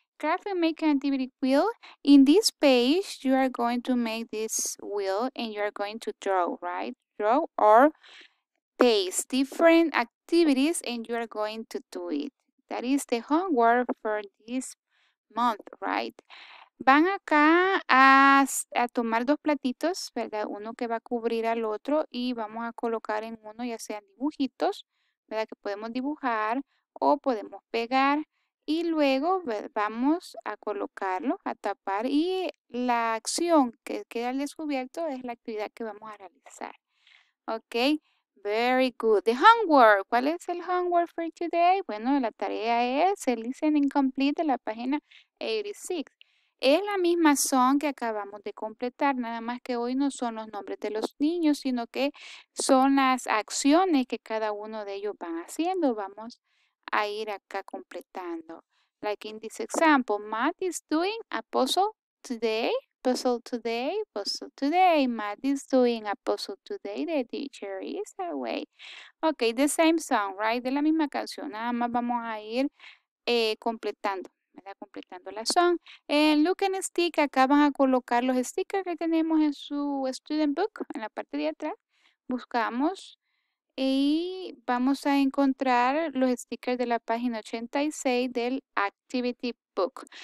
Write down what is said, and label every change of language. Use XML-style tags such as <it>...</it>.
<en>Craft and make an activity wheel. In this page, you are going to make this wheel and you are going to draw, right? Draw or paste different activities and you are going to do it. That is the homework for this month, right?</en> <es>Van acá a tomar dos platitos, ¿verdad? Uno que va a cubrir al otro y vamos a colocar en uno ya sean dibujitos, ¿verdad? Que podemos dibujar o podemos pegar y luego, ¿verdad? Vamos a colocarlo, a tapar y la acción que queda al descubierto es la actividad que vamos a realizar.</es> <en>Ok, very good. The homework,</en> <es>¿cuál es el</es> <en>homework for today?</en> <es>Bueno, la tarea es el listening complete de la página 86. Es la misma song que acabamos de completar, nada más que hoy no son los nombres de los niños, sino que son las acciones que cada uno de ellos van haciendo. Vamos a ir acá completando.</es> <en>Like in this example, Matt is doing a puzzle today, Puzzle today, puzzle today. Matt is doing a puzzle today. The teacher is away. Okay, the same song, right?</en> <es>De la misma canción. Nada más vamos a ir completando, ¿verdad? Completando la song.</es> <en>And look and stick.</en> <es>Acá van a colocar los stickers que tenemos en su student book, en la parte de atrás. Buscamos y vamos a encontrar los stickers de la página 86 del Activity Book.</es>